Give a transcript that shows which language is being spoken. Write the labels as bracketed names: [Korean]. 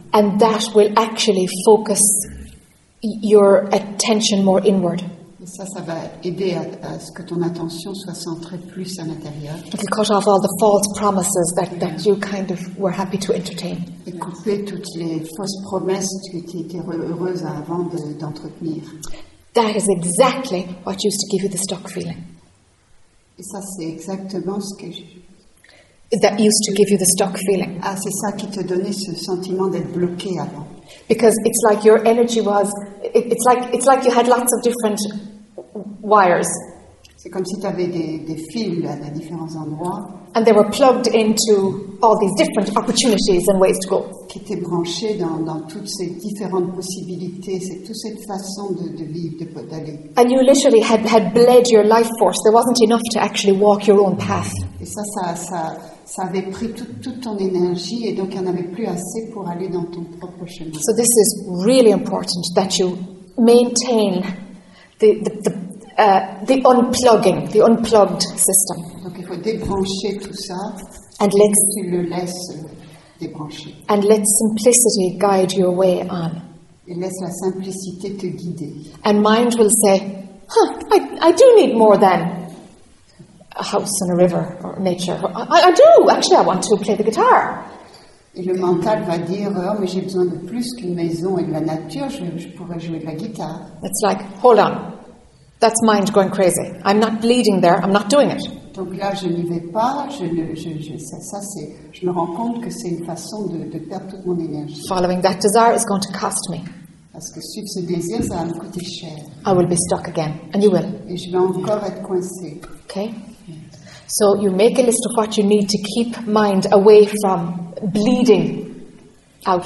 [English] And that will actually focus your attention more inward. [French] Et ça va aider à ce que ton attention soit centrée plus à l'intérieur. [English] If you cut off all the false promises that you kind of were happy to entertain. [French] Et couper toutes les fausses promesses que tu étais heureuse avant d'entretenir. [English] That is exactly what used to give you the stuck feeling. [French] Et ça, c'est exactement ce que [English] that used to give you the stuck feeling. [French] Ah, c'est ça qui te donnait ce sentiment d'être bloqué avant. [English] Because it's like your energy was, it's like you had lots of different wires. [French] C'est comme si tu avais des fils à différents endroits. [English] And they were plugged into all these different opportunities and ways to go. [French] Qui étaient branchés dans toutes ces différentes possibilités, c'est toute cette façon de vivre, d'aller. [English] And you literally had bled your life force. There wasn't enough to actually walk your own path. [French] Et ça avait pris toute ton énergie et donc il n'y en avait plus assez pour aller dans ton propre chemin. [English] So this is really important that you maintain the unplugged system. [French] Donc il faut débrancher tout ça [English] and [French] et tu le laisses débrancher. [English] And let simplicity guide your way on. [French] Et laisse la simplicité te guider. [English] And mind will say, I do need more than a house and a river or nature. I do. Actually, I want to play the guitar. [French] Et le mental va dire, oh, mais j'ai besoin de plus qu'une maison et de la nature, je pourrais jouer de la guitare. [English] It's like, hold on. That's mind going crazy. I'm not bleeding there. I'm not doing it. [French] Donc là, je n'y vais pas. Je me rends compte que c'est une façon de perdre toute mon énergie. [English] Following that desire is going to cost me. [French] Parce que suivre ce désir, ça va me coûter cher. [English] I will be stuck again. And you will. [French] Et je vais encore être coincée. [English] Okay. So you make a list of what you need to keep mind away from bleeding out.